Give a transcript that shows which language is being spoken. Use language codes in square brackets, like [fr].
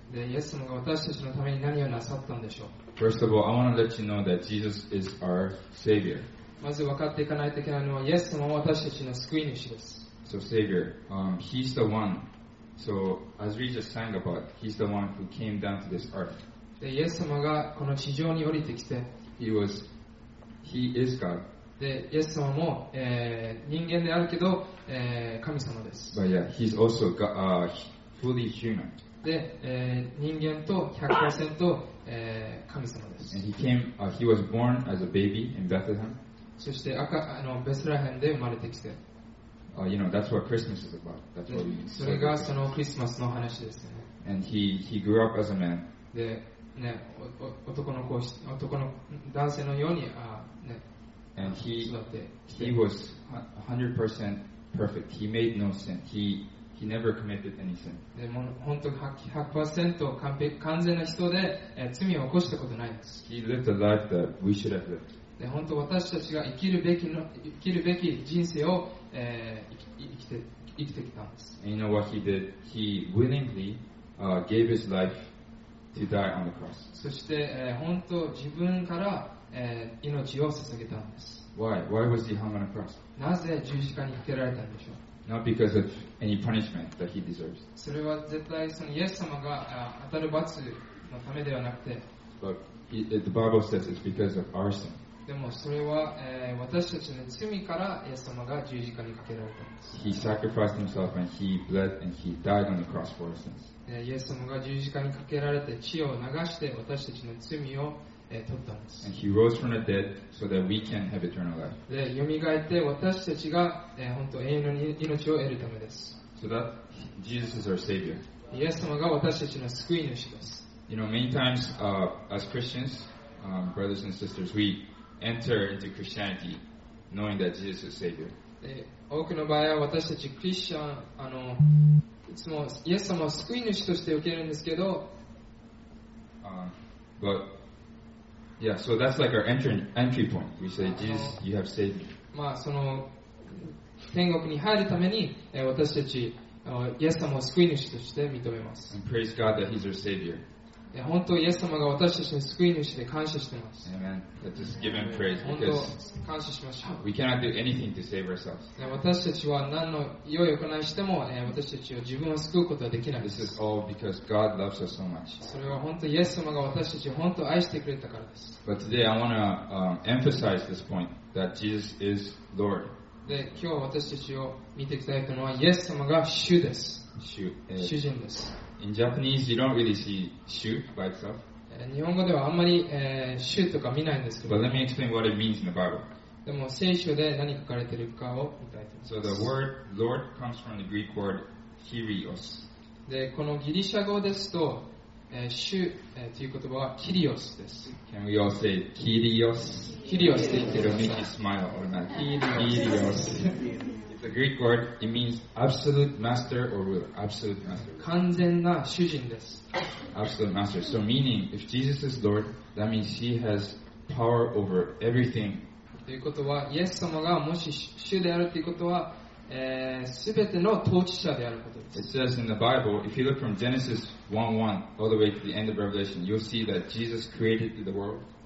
[ja] で、イエス様が私たちのために何をなさったんでしょう? [en] First of all, I want to let you know that Jesus is our Savior. [ja] まず分かっていかないといけないのは、イエス様は私たちの救い主です。 [en] So, Savior, He's the one. So, as we just sang about, He's the one who came down to this earth. [ja] で、イエス様がこの地上に降りてきて、 [en] He is God. [ja] で、イエス様も、人間であるけど、神様です。 [en] But yeah, He's also God, fully human. [ja] で、人間と 100% 神様です。 [en] And He was born as a baby in Bethlehem. [ja] そして赤ベスラヘンで生まれてきて、 [en] you know, that's what Christmas is about. That's what we mean. [ja] それがそのクリスマスの話ですね。 [en] And he grew up as a man. [ja] で、ね、男の男性のように、ね、 [en] And he was 100% perfect. He made no sin. He never committed any sin. [ja] でも本当に 100% 完全な人で、罪を起こしたことないんです。 [en] He lived a life that we should have lived. [ja] で本当私たちが生きるべき人生を、生きてきたんです。 [en] And you know what he did? He willingly, gave his life to die on the cross. [ja] そして、本当自分から、命を捧げたんです。 [en] Why was he hung on the cross? [ja] なぜ十字架にかけられたんでしょう? [en] Not because of any punishment that he deserves. [ja] それは絶対そのイエス様が当たる罰のためではなくて、 [en] But the Bible says it's because of our sin. [ja] でもそれは、私たちの罪からイエス様が十字架にかけられたんです。 [en] He sacrificed himself and he bled and he died on the cross for our sins. [ja] イエス様が十字架にかけられて血を流して私たちの罪を、取ったんです。 [en] And he rose from the dead so that we can have eternal life. [ja] で、蘇って私たちが、本当永遠の命を得るためです。 [en] So that Jesus is our Savior. [ja] イエス様が私たちの救い主です。 [en] You know, many times, as Christians, brothers and sisters, we enter into Christianity knowing that Jesus is Savior. [ja] 多くの場合は私たちクリスチャン、いつもイエス様を救い主として受けるんですけど、 [en] but yeah, so that's like our entry point. We say, Jesus, you have saved me. [ja] まあその天国に入るために私たちイエス様を救い主として認めます。 [en] And praise God that He's our Savior. [ja] 本当イエス様が私たちの救い主で感謝しています。 [en] Amen. Let's just give Him praise because [ja] 感謝しましょう。 [en] We cannot do anything to save ourselves. [ja] 私たちは何の良い行いしても私たちを自分を救うことはできないです。 [en] This is all because God loves us so much. [ja] それは本当イエス様が私たちを本当愛してくれたからです。 [en] But today I want to emphasize this point that Jesus is Lord. [ja] で今日私たちを見ていきたいというのはイエス様が主です。主、主人です。 [en] In Japanese, you don't really see 主 by itself. [ja] 日本語ではあんまり、主とか見ないんですけど。 [en] But let me explain what it means in the Bible. [ja] でも聖書で何書かれているかを見たいと思います。 [en] So the word Lord comes from the Greek word Kyrios. [ja] でこのギリシャ語ですと、主、という言葉はキリオスです。 [en] Can we all say キリオス？ [ja] キリオスって言ってる。 [en] It'll make you smile or not. [ja] キリオス。 [en] キリオス。It's a Greek word. It means absolute master or ruler. Absolute master. [ja] 完全な主人です。 [en] Absolute master. So meaning, if Jesus is Lord, that means he has power over everything. [ja] ということは、イエス様がもし主であるということは、すべての統治者であることです。 [en] It says in the Bible, if you look from Genesis 1:1 all the way to the end of Revelation, you'll see that Jesus created the world.